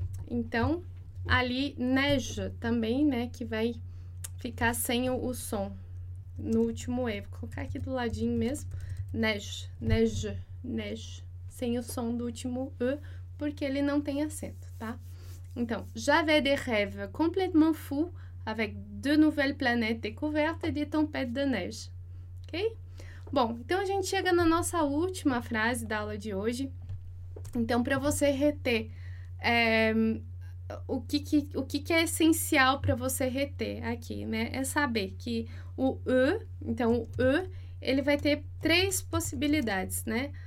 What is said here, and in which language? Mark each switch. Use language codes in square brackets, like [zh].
[pt] Então, ali, nejo também, né? Que vai ficar sem o som no último E. Vou colocar aqui do ladinho mesmo. Nejo, nejo, nejo. Sem o som do último E, porque ele não tem acento, tá? [fr] Então, j'avais des rêves complètement fous avec deux nouvelles planètes découvertes et des tempêtes de neige. [pt] Ok? Bom, então a gente chega na nossa última frase da aula de hoje. Então, para você reter, o que que é essencial para você reter aqui, né? É saber que o E, então o E, ele vai ter três possibilidades, né?